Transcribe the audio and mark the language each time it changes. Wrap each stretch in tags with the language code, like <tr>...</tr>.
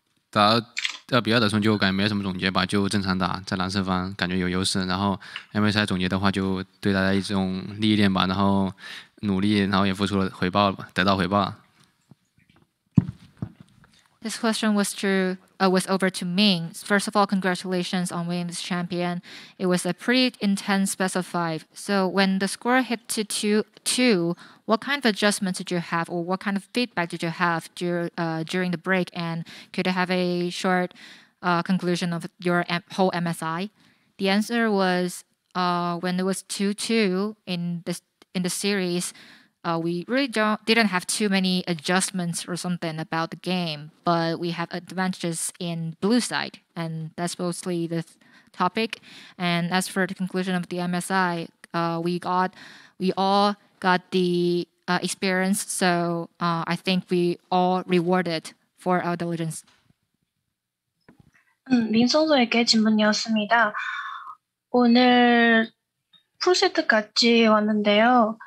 <zh>打2-2的时候就感觉没什么总结吧，就正常打，在蓝色方感觉有优势，然后 MSI 总结的话就对大家一种历练吧，然后努力，然后也付出了回报，得到回报。</zh> <en>This question was over to Ming. First of all, congratulations on winning this champion. It was a pretty intense best of five. So when the score hit to 2-2, what kind of adjustments did you have or what kind of feedback did you have during the break? And could you have a short conclusion of your whole MSI? The answer was when it was 2-2 in the series, we really didn't have too many adjustments or something about the game, but we have advantages in blue side, and that's mostly the topic. And as for the conclusion of the MSI, we all got the experience, so I think we all rewarded for our diligence.</en> <ko>민 선수에게 질문이었습니다. 오늘 풀세트 같이 왔는데요.</ko>